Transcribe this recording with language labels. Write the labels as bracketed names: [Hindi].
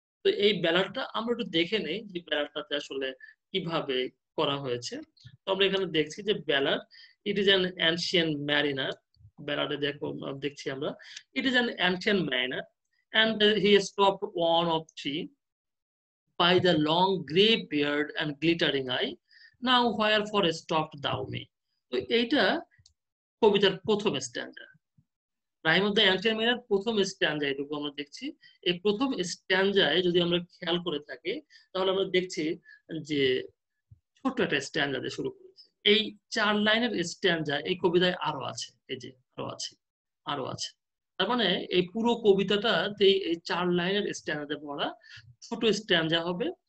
[Bangla] তো এই ব্যালাডটা আমরা একটু দেখে নেই যে ব্যালাডটাতে আসলে কিভাবে করা হয়েছে। তো আমরা এখানে দেখছি যে ballad, [English] It is an ancient mariner. [Bangla] ব্যালাডে দেখো, দেখছি আমরা, [English] It is an ancient mariner, and he stopped one of three by the long gray beard and glittering eye, now wherefore stopped thou me? [Bangla] তো এইটা কবিতার প্রথম স্ট্যান্জা, রাইম অফ দ্য অ্যানসিয়েন্ট মেরির প্রথম স্ট্যান্জা এটুকু আমরা দেখছি। এই প্রথম স্ট্যান্জায় যদি আমরা খেয়াল করে থাকি তাহলে আমরা দেখছি যে ছোট্ট একটা স্ট্যান্জা দিয়ে শুরু করেছে। এই চার লাইনের স্ট্যান্জা এই কবিতায় আরো আছে, এই যে আরো আছে আরো আছে, তার মানে এই পুরো কবিতাটাতে এই চার লাইনের স্ট্যান্জাতে পড়া ছোট স্ট্যান্জা হবে।